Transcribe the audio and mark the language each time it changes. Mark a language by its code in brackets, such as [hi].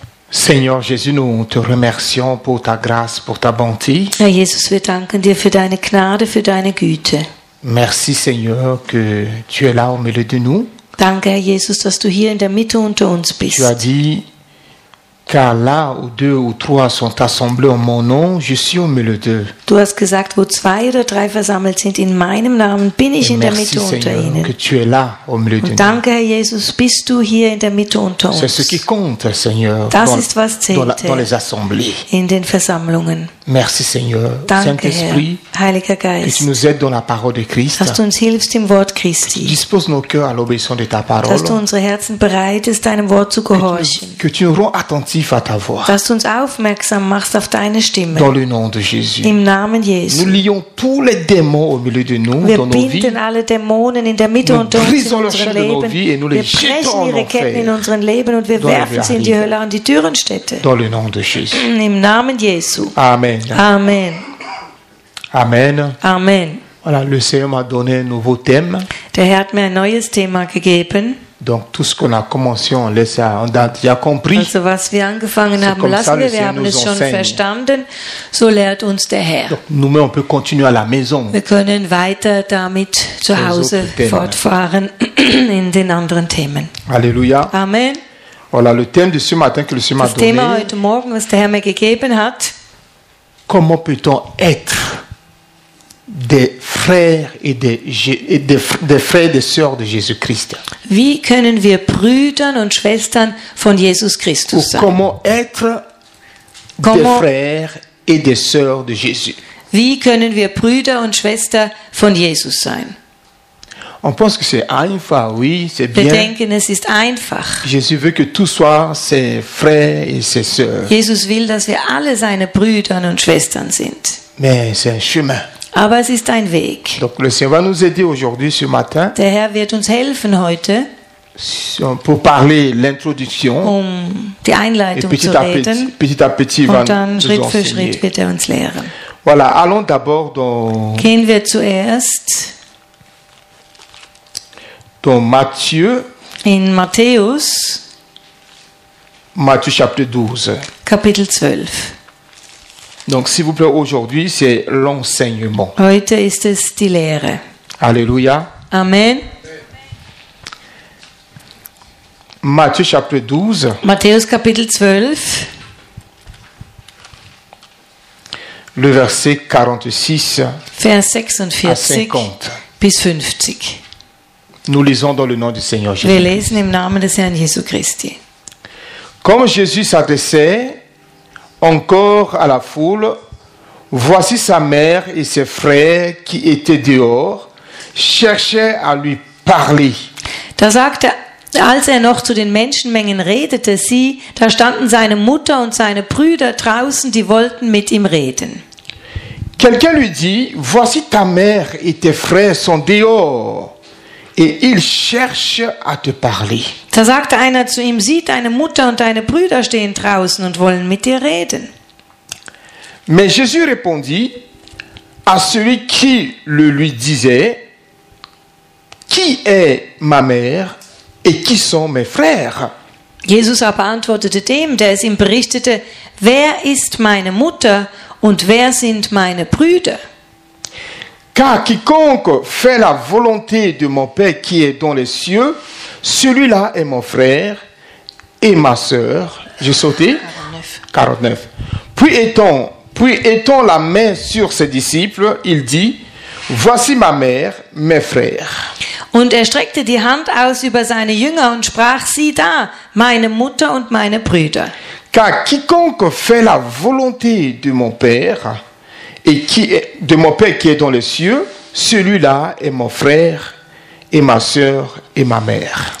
[fr] Seigneur Jésus, nous te remercions pour ta grâce, pour ta bonté. [de] Herr Jesus, wir danken dir für deine Gnade, für deine Güte. [fr] Merci Seigneur que tu es là au milieu de nous. [de] Danke Herr Jesus, dass du hier in der Mitte unter uns bist. [fr] Tu as dit car là où deux ou trois sont assemblés en mon nom, je suis au milieu d'eux. [de] Du hast gesagt, wo zwei oder drei versammelt sind in meinem Namen, bin ich in der Mitte [fr] Seigneur, [de] unter ihnen. [fr] Que tu es là au milieu [de] und [fr] de [de] danke [fr] nous. [de] Herr Jesus, bist du hier in der Mitte unter uns. [fr] C'est ce qui compte, Seigneur, [de] das ist was zählt. [fr] Dans les assemblées. [de] In den Versammlungen. [fr] Merci Seigneur, Saint-Esprit, [de] Heiliger Geist, [fr] que tu nous aides dans la parole de Christ, [de] dass du uns hilfst im Wort Christi, [fr] que tu disposes nos cœurs à l'obéissance de ta parole, [de] dass du unsere Herzen bereitest, deinem Wort zu gehorchen, [fr] que tu nous rends attentifs à ta voix, [de] dass du uns aufmerksam machst auf deine Stimme, [fr] dans le nom de Jésus, [de] im Namen Jesu. [fr] Nous lions tous les démons au milieu de nous, [de] wir [fr] dans nos vies, [de] alle Dämonen in der Mitte [fr] nous [de] unter uns, [fr] nous brisons leurs chaînes de nos vies et nous les jetons [de] ihre Ketten in unseren Leben und wir werfen sie in die Hölle und die Dürrenstädte, [fr] dans le nom de Jésus. [de] Im Namen Jesu. [fr] Amen. [de] Amen. [fr] Amen. [de] Amen. [fr] Voilà, le Seigneur m'a donné un nouveau thème. [de] Der Herr hat mir ein neues Thema gegeben. [fr] Donc tout ce qu'on a commencé, on laisse, on a déjà compris. [de] Also was wir angefangen haben, lassen wir. Wir haben es schon verstanden. So lehrt uns der Herr. [fr] Nous-mêmes, on peut continuer à la maison. [de] Wir können weiter damit zu Hause fortfahren in den anderen Themen. [fr] Alléluia. [de] Amen. [fr] Voilà, le thème de ce matin que le Seigneur m'a donné. [de] Das Thema heute Morgen, was der Herr mir gegeben hat. [fr] Comment peut-on être des frères et des frères et des sœurs de Jésus-Christ? [de] Wie können wir Brüdern und Schwestern von Jesus Christus sein? [fr] Comment être des frères et des sœurs de Jésus? [de] Wie können wir Brüder und Schwestern von Jesus sein? [fr] On pense que c'est einfach, oui, c'est bien. [de] Wir denken, es ist einfach. [fr] Jésus veut que tout soit ses frères et ses sœurs. [de] Jesus will, dass wir alle seine Brüder und Schwestern sind. [fr] Mais c'est un chemin. [de] Aber es ist ein Weg. [fr] Donc le Seigneur va nous aider aujourd'hui, ce matin. [de] Der Herr wird uns helfen heute. [fr] Pour parler l'introduction. [de] Um die Einleitung zu reden. [fr] Petit à petit, [de] und dann Schritt für Schritt wird er uns lehren. [fr] Voilà, allons d'abord dans. [de] Gehen wir zuerst. [fr] Dans Matthieu, [de] in Matthäus, [fr] Matthieu chapitre 12, [de] Kapitel 12. [fr] Donc s'il vous plaît, aujourd'hui c'est l'enseignement. [de] Heute ist es die Lehre. [fr] Alléluia. [de] Amen. [fr] Matthieu chapitre 12, [de] Matthäus Kapitel 12, [fr] le verset 46, [de] Vers 46 à 50. Bis 50. [fr] Nous lisons dans le nom du Seigneur Jésus. [de] Wir lesen im Namen des Herrn Jesu Christi. [fr] Comme Jésus s'adressait encore à la foule, voici sa mère et ses frères qui étaient dehors, cherchaient à lui parler. [de] Da sagte, als er noch zu den Menschenmengen redete, sie, da standen seine Mutter und seine Brüder draußen, die wollten mit ihm reden. [fr] Quelqu'un lui dit, voici ta mère et tes frères sont dehors. Et il cherche à te parler. [de] Da sagte einer zu ihm, sieh, deine Mutter und deine Brüder stehen draußen und wollen mit dir reden. [fr] Mais Jésus répondit à celui qui le lui disait, qui est ma mère et qui sont mes frères? [de] Jesus aber antwortete dem, der es ihm berichtete, wer ist meine Mutter und wer sind meine Brüder? [fr] Car quiconque fait la volonté de mon Père qui est dans les cieux, celui-là est mon frère et ma sœur. J'ai sauté. 49. Puis étant la main sur ses disciples, il dit, voici ma mère, mes frères. [de] Und er streckte die Hand aus über seine Jünger und sprach, sieh da, meine Mutter und meine Brüder. [fr] Car quiconque fait la volonté de mon Père, et qui est de mon Père qui est dans les cieux, celui-là est mon frère et ma sœur et ma mère.